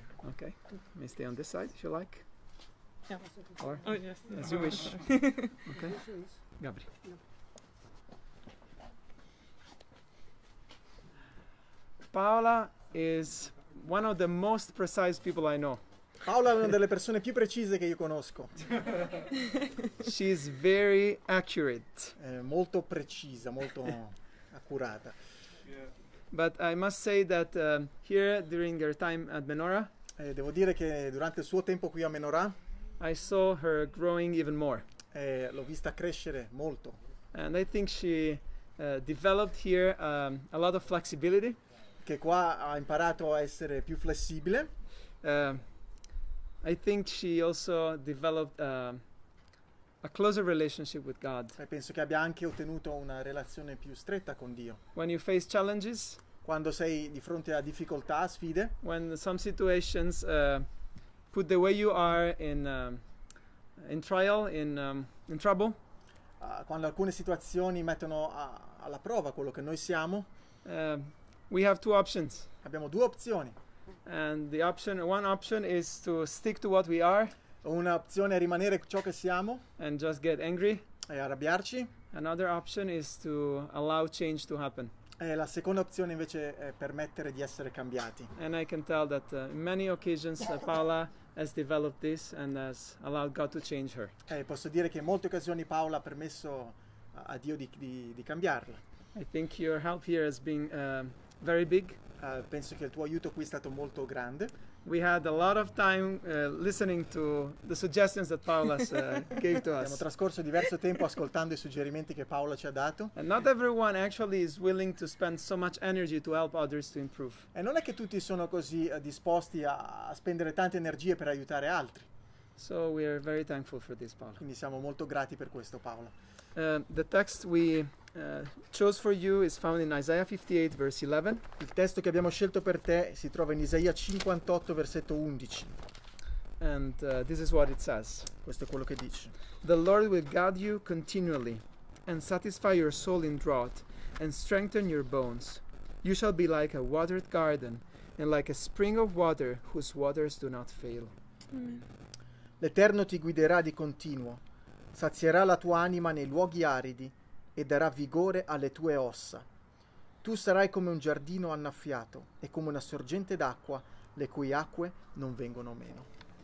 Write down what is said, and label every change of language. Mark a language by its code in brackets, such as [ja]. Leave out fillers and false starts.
[en] Okay, you may stay on this side if you like. Yeah. Or oh, yes. As you wish. Okay. Gabri. Paola is one of the most precise people I know. [it] Paola è una delle persone più precise che io conosco. [en] She's very accurate. [it] Molto precisa, molto accurata. [en] Yeah. But I must say that here during her time at Menorah, [it] devo dire che durante il suo tempo qui a Menorah, [en] I saw her growing even more. [it] L'ho vista crescere molto. [en] And I think she developed here a lot of flexibility. [it] Che qua ha imparato a essere più flessibile. [en] I think she also developed a closer relationship with God. [it] E penso che abbia anche ottenuto una relazione più stretta con Dio. [en] When you face challenges, [it] quando sei di fronte a difficoltà, sfide, [en] when some situations put the way you are in trial, in trouble, [it] quando alcune situazioni mettono alla prova quello che noi siamo, [en] we have two options. [it] Abbiamo due opzioni. [en] And the option, one option is to stick to what we are. [it] Una opzione è rimanere ciò che siamo. [en] And just get angry. [it] E arrabbiarci. [en] Another option is to allow change to happen. [it] La seconda opzione invece è permettere di essere cambiati. [en] And I can tell that in many occasions Paola has developed this and has allowed God to change her. [it] Posso dire che in molte occasioni Paola ha permesso a Dio di cambiarla. [en] I think your help here has been very big. [it] Penso che il tuo aiuto qui è stato molto grande. [en] We had a lot of time listening to the suggestions that Paola gave to us. [it] Abbiamo trascorso diverso tempo ascoltando i suggerimenti che Paola ci ha dato. [en] And not everyone actually is willing to spend so much energy to help others to improve. [it] E non è che tutti sono così disposti a spendere tante energie per aiutare altri. [en] So we are very thankful for this, Paola. [it] Quindi siamo molto grati per questo, Paola. [en] The text we chose for you is found in Isaiah 58, verse 11. [it] Il testo che abbiamo scelto per te si trova in Isaia 58, versetto 11. [en] And this is what it says. [it] Questo è quello che dice. [en] The Lord will guard you continually and satisfy your soul in drought and strengthen your bones. You shall be like a watered garden and like a spring of water whose waters do not fail. [it] Mm. L'Eterno ti guiderà di continuo. Sazierà la tua anima nei luoghi aridi e darà vigore alle tue ossa. Tu sarai come un giardino annaffiato e come una sorgente d'acqua le cui acque non vengono meno.